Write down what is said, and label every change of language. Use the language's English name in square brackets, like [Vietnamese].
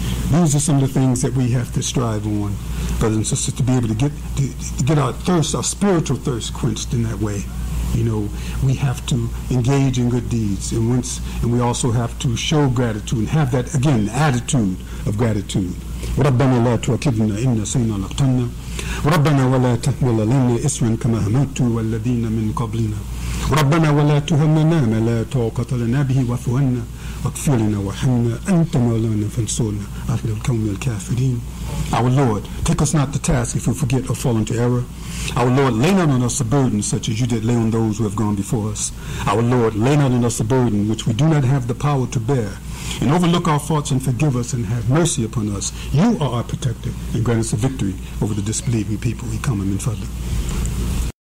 [English] These are some of the things that we have to strive on, brothers and sisters, to be able to get our thirst, our spiritual thirst, quenched in that way. You know, we have to engage in good deeds, and we also have to show gratitude and have that, again, attitude of gratitude. [Arabic] ربنا لا تؤاخذنا إن نسينا أو أخطأنا ربنا ولا تحمل علينا إصرا كما حملت والذين من قبلنا ربنا ولا تهمنا ما لا طاقة لنا به واعف عنا واغفر لنا وارحمنا أنت مولانا فانصرنا على القوم الكافرين. [English] Our Lord, take us not to task if we forget or fall into error. Our Lord, lay not on us a burden such as you did lay on those who have gone before us. Our Lord, lay not on us a burden which we do not have the power to bear. And overlook our faults and forgive us and have mercy upon us. You are our protector and grant us a victory over the disbelieving people. We come in front of them.